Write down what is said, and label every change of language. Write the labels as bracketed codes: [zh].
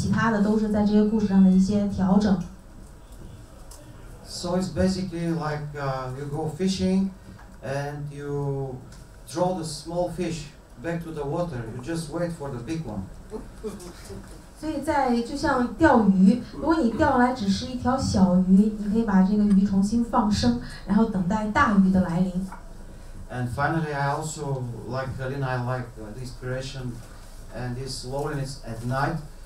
[zh] 而且刚刚我们的著作家也提到了，有我们只有这么几十种非常原创独特的故事，其他的都是在这些故事上的一些调整。 [en] So it's basically like you go fishing and you draw the small fish back to the water. You just wait for the big one. [zh] 所以在就像钓鱼，如果你钓来只是一条小鱼，你可以把这个鱼重新放生，然后等待大鱼的来临。 [en] And finally, I also like Halina. I like the inspiration and this loneliness at night.